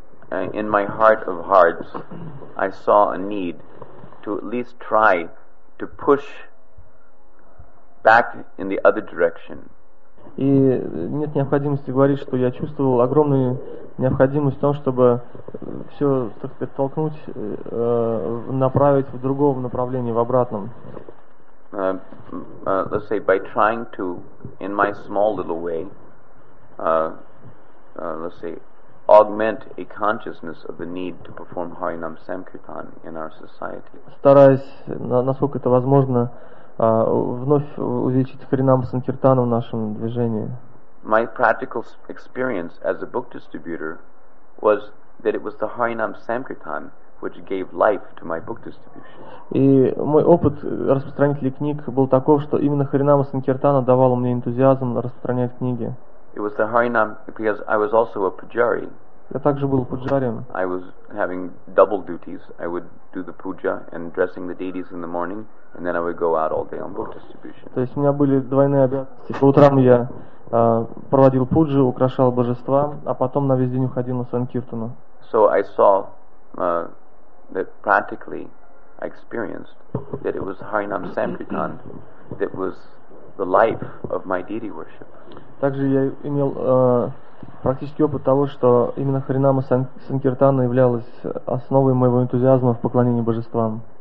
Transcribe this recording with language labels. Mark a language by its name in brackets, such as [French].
[English] In my heart of hearts, I saw a need to at least try to push back in the other direction. [Russian] И нет необходимости говорить, что я чувствовал огромную необходимость в том, чтобы все, так сказать, толкнуть, направить в другом направлении, в обратном. [English] Let's say by trying to, in my small little way, let's say, augment a consciousness of the need to perform Harinam Samkirtan in our society. [Russian] Стараясь, насколько это возможно, вновь увеличить Харинам Санкиртану в нашем движении. [English] My practical experience as a book distributor was that it was the Harinam Samkirtan which gave life to my book distribution. [Russian] И мой опыт распространителя книг был таков, что именно Харинам Санкиртана давал мне энтузиазм распространять книги. [English] It was the Harinam, because I was also a pujari. [Russian] Я также был пуджарием. [English] I was having double duties. I would do the puja and dressing the deities in the morning, and then I would go out all day on book distribution. [Russian] То есть у меня были двойные обязанности. По утрам я проводил пуджи, украшал божества, а потом на весь день уходил на санкиртану. [English] So I saw that practically I experienced that it was Harinam Samkirtan that was the life of my deity worship. [Russian] Также я имел практический опыт того, что именно Харинама Санкиртана являлась основой моего энтузиазма в поклонении божествам.